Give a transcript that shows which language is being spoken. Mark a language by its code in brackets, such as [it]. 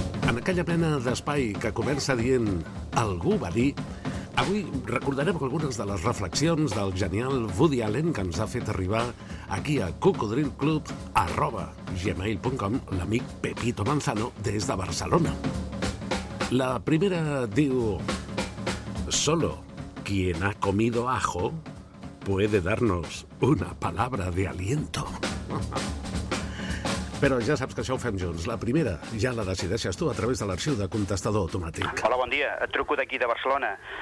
[ca] En aquella plena d'espai que comença dient «Algú va dir», avui recordarem algunes de les reflexions del genial Woody Allen que ens ha fet arribar aquí a cocodrilclub@gmail.com l'amic Pepito Manzano des de Barcelona. La primera diu: [es] «Solo quien ha comido ajo puede darnos una palabra de aliento». [ca] Però ja saps que això ho fem junts. La primera ja la decideixes tu a través de l'arxiu de contestador automàtic. Hola, bon dia. Et truco d'aquí, de Barcelona.